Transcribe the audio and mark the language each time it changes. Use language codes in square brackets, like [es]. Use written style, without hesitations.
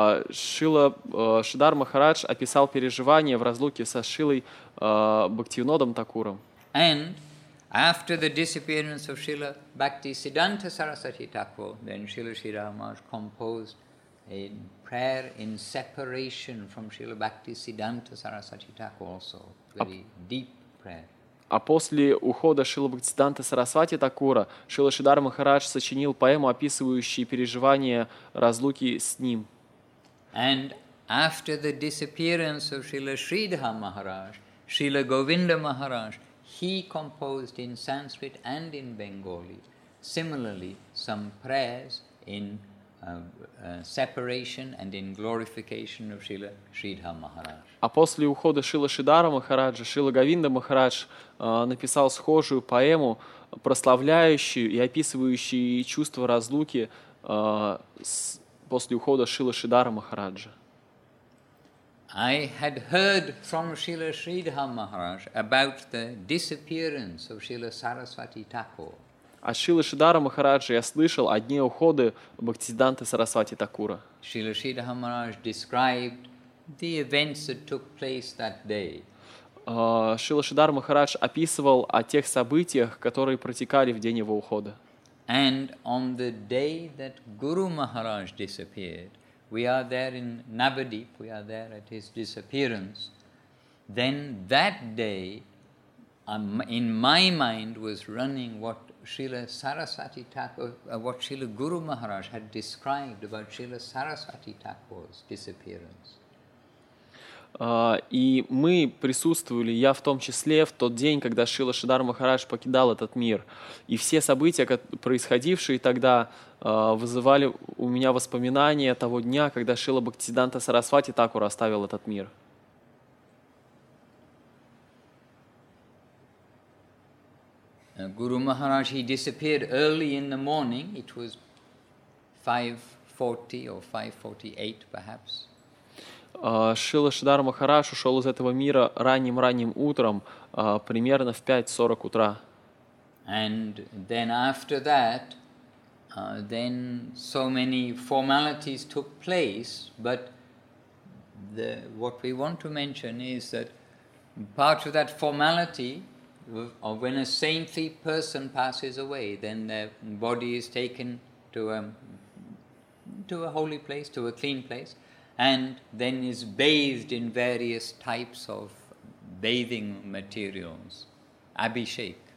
[ru] Шридхар Махарадж описал переживания в разлуке со Шрилой Бхактивинодом Такуром. [en] And after the disappearance of Srila Bhaktisiddhanta Sarasvati Thakur, then Srila Sridhar Maharaj composed a prayer in separation from Srila Bhaktisiddhanta Sarasvati Thakur also, very deep prayer. [ru] А после ухода Шрилы Бхактисиддханта Сарасвати Такура Шрила Шридхар Махарадж сочинил поэму, описывающую переживания разлуки с ним. [en] And after the disappearance of Srila Sridhar Maharaj, Srila Govinda Maharaj, he composed in Sanskrit and in Bengali, similarly, some prayers in separation and in glorification of Srila Sridhar Maharaj. [ru] А после ухода Шрилы Шридхара Махараджа, Шрила Говинда Махарадж написал схожую поэму, прославляющую и описывающую чувство разлуки с после ухода Шрилы Шридхара Махараджа. [en] I had heard from Srila Sridhar Maharaj about the disappearance of Srila Sarasvati Thakur. [ru] От Шрилы Шридхара Махараджа я слышал о дне ухода Бхактисиддханты Сарасвати Такура. [en] Srila Sridhar Maharaj described the events that took place that day. [ru] Шрила Шридхар Махарадж описывал о тех событиях, которые протекали в день его ухода. [en] And on the day that Guru Maharaj disappeared, we are there in Navadvip, we are there at his disappearance. Then that day, in my mind was running what Srila Sarasvati Thakur, what Srila Guru Maharaj had described about Srila Sarasvati Thakur's disappearance. [ru] И мы присутствовали, я в том числе, в тот день, когда Шрила Шридхар Махарадж покидал этот мир. И все события, происходившие тогда, вызывали у меня воспоминания того дня, когда Шрила Бхактисиддханта Сарасвати Такур оставил этот мир. [en] Гуру Махарадж, he disappeared early in the morning. It was 5:40 or 5:48 perhaps. [ru] Шрила Шридхар Махарадж ушел из этого мира ранним-ранним утром, примерно в 5:40 утра. [en] And then after that, then so many formalities took place, but what we want to mention is that part of that formality, of when a saintly person passes away, then their body is taken to a holy place, to a clean place, and then is bathed in various types of bathing materials, abhishek.